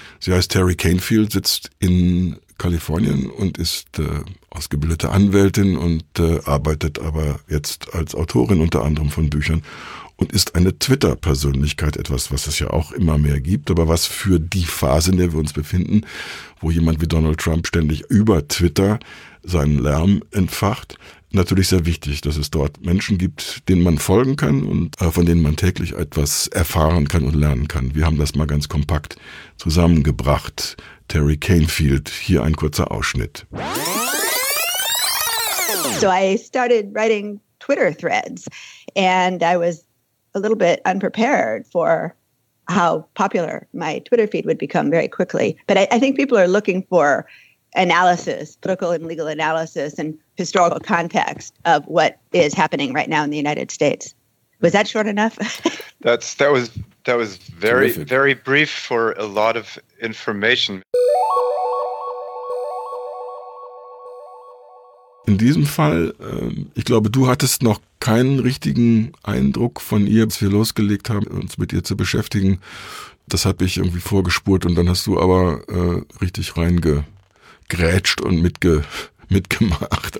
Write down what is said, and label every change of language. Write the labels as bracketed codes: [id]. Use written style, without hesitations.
[de] Sie heißt Terry Canfield, sitzt in Kalifornien und ist ausgebildete Anwältin und arbeitet aber jetzt als Autorin unter anderem von Büchern und ist eine Twitter-Persönlichkeit, etwas, was es ja auch immer mehr gibt, aber was für die Phase, in der wir uns befinden, wo jemand wie Donald Trump ständig über Twitter seinen Lärm entfacht, natürlich sehr wichtig, dass es dort Menschen gibt, denen man folgen kann und von denen man täglich etwas erfahren kann und lernen kann. Wir haben das mal ganz kompakt zusammengebracht. Terry Canfield, hier ein kurzer Ausschnitt. [en] So I started writing Twitter threads and I was a little bit unprepared for how popular my Twitter feed would become very quickly. But I think people are looking for analysis, political and legal analysis and historical context of what is happening right now in the United States. Was that short enough? That was very, very brief for a lot of information. [de] In diesem Fall, ich glaube, du hattest noch keinen richtigen Eindruck von ihr, als wir losgelegt haben, uns mit ihr zu beschäftigen. Das habe ich irgendwie vorgespurt und dann hast du aber richtig reingegrätscht und mitgemacht.